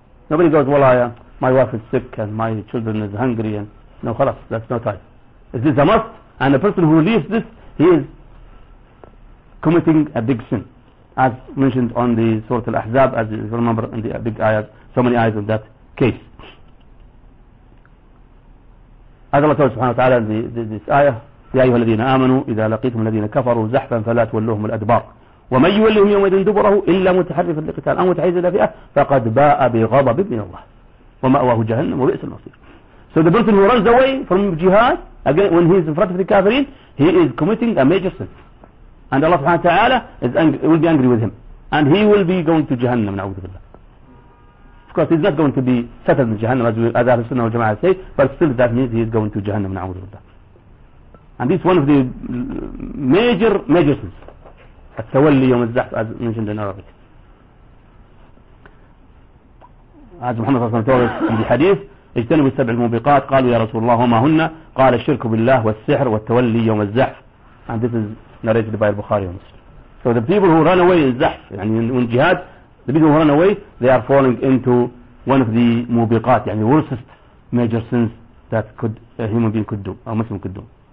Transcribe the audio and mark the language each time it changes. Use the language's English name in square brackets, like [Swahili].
[English] Nobody goes, well, my wife is sick and my children is hungry. And no, khalas, that's no time. Is this a must? And the person who leaves this, he is committing a big sin, as mentioned on the Surah Al-Ahzab, as you remember in the big ayahs, so many ayahs in that case. As Allah told subhanahu wa ta'ala in this ayah, [Arabic] يَا أَيُّهَا الَّذِينَ آمَنُوا إِذَا لَقِيتُمُ الَّذِينَ كَفَرُوا زَحْفًا فَلَا تُوَلُّوهُمُ الْأَدْبَارِ وَمَنْ يُوَلِّهُمْ يَوْمَئِذٍ دُبُرَهُ إِلَّا مُتَحَرِّفًا لِقِتَالٍ أَوْ مُتَحَيِّزًا إِلَى فِئَةٍ فَقَدْ بَاءَ بِغَضَبٍ مِنَ اللَّهِ وَمَأْوَاهُ جَهَنَّمُ وَبِئْسَ الْمَصِيرُ. [English] So the person who runs away from jihad, again, when he is in front of the kafirin, he is committing a major sin. And Allah subhanahu wa ta'ala will be angry with him. And he will be going to Jahannam, na'udhu billah. Of course, he's not going to be settled in Jahannam, as Ahlul Sunnah wal Jama'ah say, but still that means he is going to Jahannam, na'udhu billah. And this is one of the major sins. [Arabic] التولي يوم الزحف, [English] as mentioned in Arabic. As Muhammad [Arabic] صلى الله عليه وسلم [English] in the hadith, [Arabic] اجتنبوا السبع الموبقات, قالوا يا رسول الله ما هن, قال الشرك بالله والسحر والتولي يوم الزحف. [English] And this is narrated by Bukhari and Muslim. So the people who run away in الزحف, in jihad, the people who run away, they are falling into one of the موبقات, the worst major sins that a human being could do, a Muslim could do.